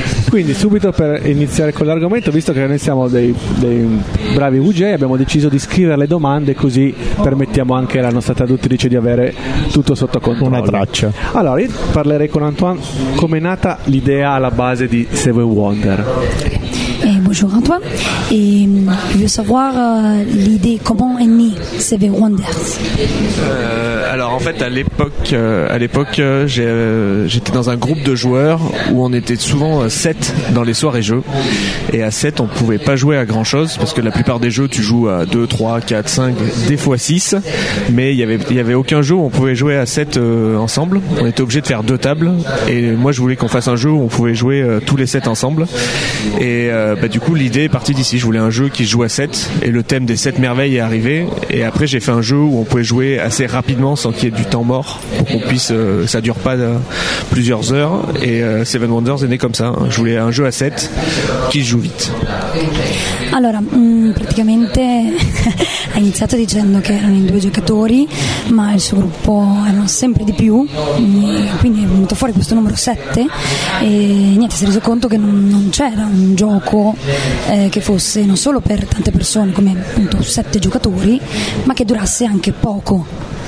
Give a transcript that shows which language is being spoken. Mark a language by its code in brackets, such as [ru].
[it] Quindi subito, per iniziare con l'argomento, visto che noi siamo dei bravi UJ, abbiamo deciso di scrivere le domande, così permettiamo anche alla nostra traduttrice di avere tutto sotto controllo. Una traccia. Allora, io parlerei con Antoine. Come è nata l'idea alla base di Seven Wonder? [fr] Bonjour Antoine, et je veux savoir l'idée, comment est née Seven Wonders? Alors en fait, à l'époque j'étais dans un groupe de joueurs où on était souvent 7 dans les soirées jeux, et à 7 on pouvait pas jouer à grand chose, parce que la plupart des jeux tu joues à 2, 3, 4, 5, des fois 6, mais il y avait aucun jeu où on pouvait jouer à 7 ensemble. On était obligé de faire deux tables, et moi je voulais qu'on fasse un jeu où on pouvait jouer tous les 7 ensemble, et du coup l'idée est partie d'ici. Je voulais un jeu qui joue à 7, et le thème des 7 merveilles est arrivé, et après j'ai fait un jeu où on pouvait jouer assez rapidement sans qu'il y ait du temps mort, pour qu'on puisse ça dure pas plusieurs heures, et Seven Wonders est né comme ça. Je voulais un jeu à 7 qui joue vite. [it] Alors praticamente ha iniziato dicendo che erano in due giocatori, ma il suo gruppo erano sempre di più, quindi è venuto fuori questo numero 7, e niente, si è reso conto che non c'era un gioco che fosse non solo per tante persone, come appunto 7 giocatori, ma che durasse anche poco.